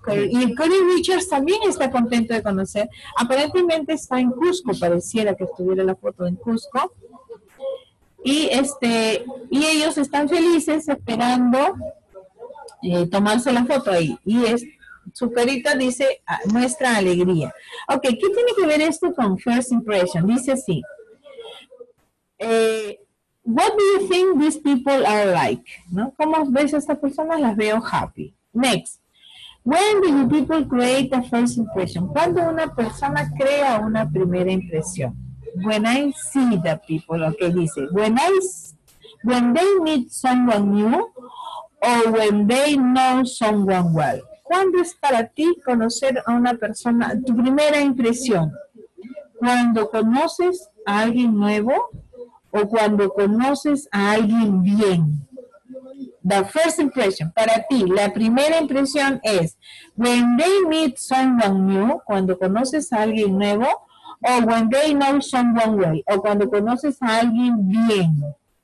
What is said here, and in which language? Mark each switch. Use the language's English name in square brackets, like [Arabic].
[Spanish] Y Corey Richards también está contento de conocer. Aparentemente está en Cusco, pareciera que estuviera la foto en Cusco. Y ellos están felices esperando tomarse la foto ahí. Y es, su carita dice, muestra alegría. Ok, ¿qué tiene que ver esto con first impression? Dice así. [English] What do you think these people are like? [Spanish] ¿No? ¿Cómo ves a estas personas? Las veo [English] happy. Next, when do you people create a first impression? [Spanish] ¿Cuándo una persona crea una primera impresión? [English] When I see the people, okay, dice. When they meet someone new or when they know someone well. [Spanish] ¿Cuándo es para ti conocer a una persona, tu primera impresión? ¿Cuando conoces a alguien nuevo o cuando conoces a alguien bien? [English] The first impression, [Spanish] para ti, la primera impresión es [English] when they meet someone new, [Spanish] cuando conoces a alguien nuevo, o [English] when they know someone well, [Spanish] o cuando conoces a alguien bien.